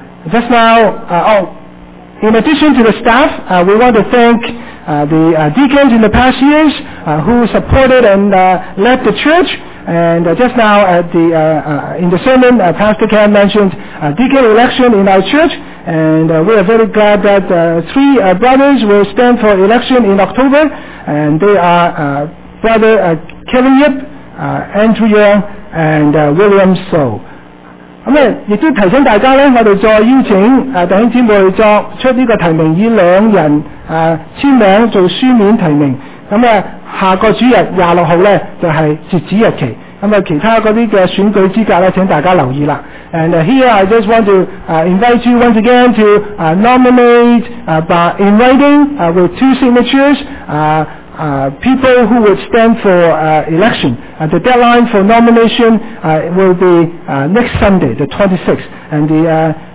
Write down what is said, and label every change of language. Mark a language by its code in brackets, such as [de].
[en] Just now, in addition to the staff, we want to thank the deacons in the past years who supported and led the church, and just now at the in the sermon Pastor Ken mentioned deacon election in our church, and we are very glad that three brothers will stand for election in October, and they are Brother Kevin Yip, Andrew Young, and William So. [yue] 咁亦都提醒大家咧，我哋再邀请弟兄姊妹作出呢个提名，以两人签名做书面提名。咁下个主日26号咧就系截止日期。咁其他嗰啲嘅选举资格咧，请大家留意啦。 [en] And here I just want to invite you once again to nominate by inviting with two signatures people who would stand for election. The deadline for nomination will be next Sunday, the 26th, and the